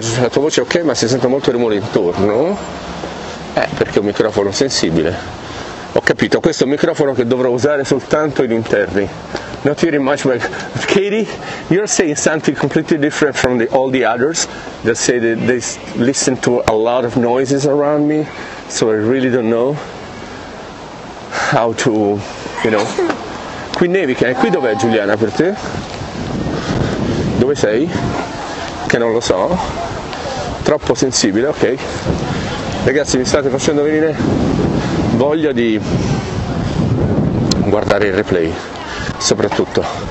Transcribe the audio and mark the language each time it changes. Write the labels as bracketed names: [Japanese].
[Italian] La tua voce è ok, ma si sente molto rumore intorno? Perché è un microfono sensibile. Ho capito, questo è un microfono che dovrò usare soltanto in interni. [English] Not very much, but Katie, you're saying something completely different from all the others that say that they listen to a lot of noises around me, so I really don't know how to, you know. [Italian] Qui nevica, e qui dov'è Giuliana per te? Dove sei? Che non lo so. Troppo sensibile, ok. Ragazzi, mi state facendo venire voglia di guardare il replay, soprattutto.